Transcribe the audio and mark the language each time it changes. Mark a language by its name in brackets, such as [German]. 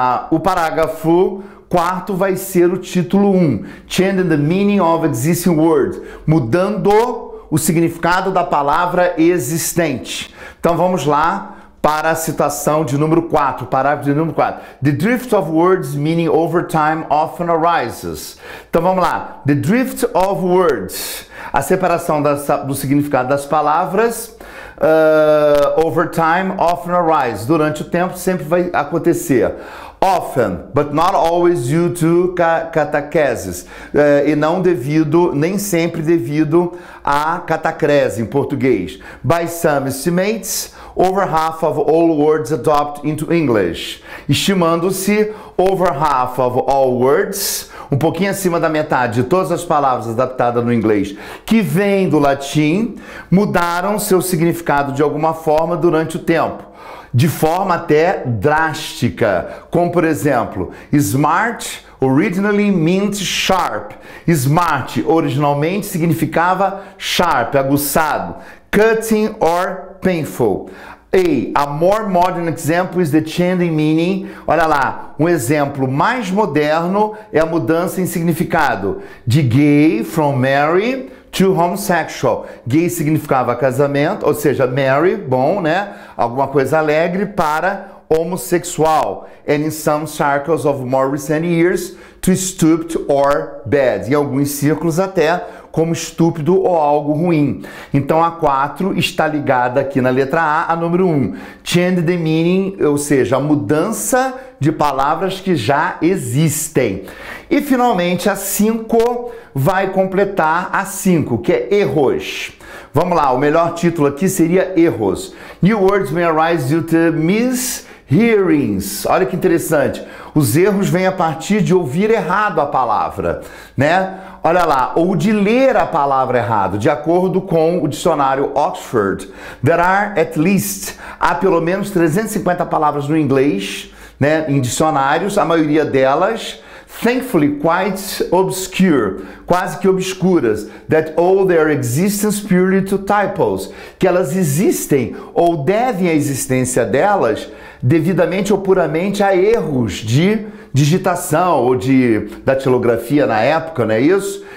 [Portuguese] O parágrafo 4 vai ser o título 1. [English] Changing the meaning of existing words. [Portuguese] Mudando o significado da palavra existente. Então, vamos lá para a citação de número 4, parágrafo de número 4. [English] The drift of words meaning over time often arises. [Portuguese] Então vamos lá. [English] The drift of words. [Portuguese] A separação do significado das palavras [English] over time often arises. [Portuguese] Durante o tempo sempre vai acontecer. [English] Often, but not always due to catacreses. [Portuguese] E não devido, nem sempre devido a catacrese em português. [English] By some estimates, over half of all words adopt into English. [Portuguese] Estimando-se, [English] over half of all words, [Portuguese] um pouquinho acima da metade de todas as palavras adaptadas no inglês que vêm do latim, mudaram seu significado de alguma forma durante o tempo. De forma até drástica, como por exemplo, [English] smart originally meant sharp. [Portuguese] Smart originalmente significava sharp, aguçado. [English] Cutting or painful. A more modern example is the change in meaning. [Portuguese] Olha lá, um exemplo mais moderno é a mudança em significado de gay [English] from Mary to homosexual. [Portuguese] Gay significava casamento, ou seja, Mary, bom, né? Alguma coisa alegre, para homossexual. [English] And in some circles of more recent years, to stupid or bad. [Portuguese] Em alguns círculos até, como estúpido ou algo ruim. Então a 4 está ligada aqui na letra A, a número 1. [English] Change the meaning, [Portuguese] ou seja, a mudança de palavras que já existem. E finalmente a 5 vai completar a 5, que é erros. Vamos lá, o melhor título aqui seria erros. [English] New words may arise due to mishearings. [Portuguese] Olha que interessante. Os erros vêm a partir de ouvir errado a palavra, né? Olha lá, ou de ler a palavra errado, de acordo com o dicionário Oxford. [English] There are at least, [Portuguese] há pelo menos 350 palavras no inglês, né, em dicionários, a maioria delas, [English] thankfully, quite obscure, [Portuguese] quase que obscuras, [English] that owe their existence purely to typos, [Portuguese] que elas existem ou devem a existência delas devidamente ou puramente a erros de digitação ou de datilografia na época, não é isso?